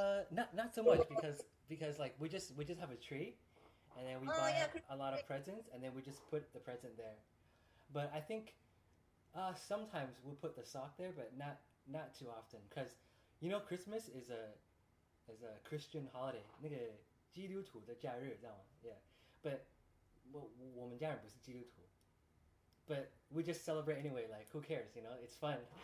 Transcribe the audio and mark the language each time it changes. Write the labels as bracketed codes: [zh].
[en] Not so much because like we just have a tree, and then we buy a lot of presents, and then we just put the present there. But I think sometimes we'll put the sock there, but not too often, because you know Christmas is a Christian holiday. [zh] 那个基督徒的假日, 知道吗? [en] Yeah. But [zh] 我们家人不是基督徒, [en] but we just celebrate anyway, like who cares, you know, it's fun.